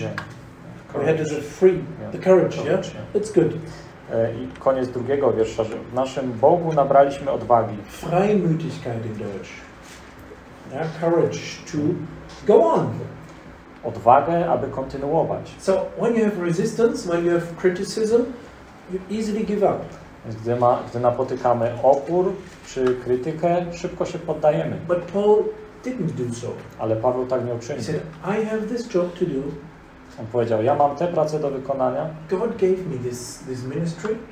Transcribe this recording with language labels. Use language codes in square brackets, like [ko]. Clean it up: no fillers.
[en] Yeah. We had the free, yeah. The courage. Yeah, it's good. [pl] I koniec drugiego wiersza, że w naszym Bogu nabraliśmy odwagi. [de] Freimütigkeit in Deutsch. [en] Yeah, courage to go on. [pl] Odwagę, aby kontynuować. [en] So when you have resistance, when you have criticism, you easily give up. [pl] Gdy napotykamy opór czy krytykę, szybko się poddajemy. [en] But Paul didn't do so. [pl] Ale Paweł tak nie uczynił. [en] He said, I have this job to do. [pl] On powiedział: ja mam tę pracę do wykonania. [en] God gave me this ministry.